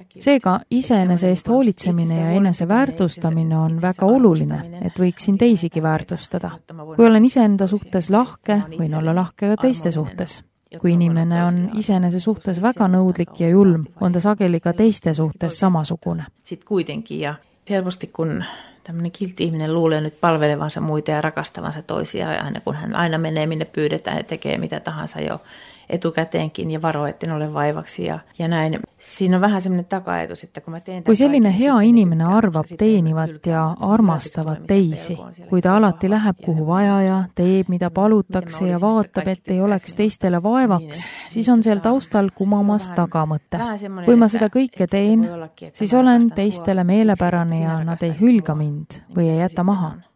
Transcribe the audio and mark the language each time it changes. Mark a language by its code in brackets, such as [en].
[et] Seega iseenese eest hoolitsemine ja enese väärtustamine on väga oluline, et võiksin teisigi väärtustada. Kui olen iseenda suhtes lahke, võin olla lahke ka teiste suhtes. Kui inimene on iseenese suhtes väga nõudlik ja julm, on ta sageli ka teiste suhtes samasugune. [fi] Sit kuitenki ja helposti kun tämmöinen kilti ihminen luulee nyt palvelevansa muita ja rakastavansa toisia, aina kun hän aina menee, minne pyydetään ja tekee mitä tahansa jo etukäteenkin ja varo, etten ole vaivaksi ja näin. Siinä on vähän semmoinen taka-ajatus, että kun mä teen... [et] Kui selline hea inimene arvab teenivat ja armastavat teisi, kui ta alati läheb kuhu vaja ja teeb, mida palutakse ja vaatab, et ei oleks teistele vaevaks, siis on seal taustal kumamas tagamõte. Kui ma seda kõike teen, siis olen teistele meelepärane ja nad ei hülga mind või ei jäta maha.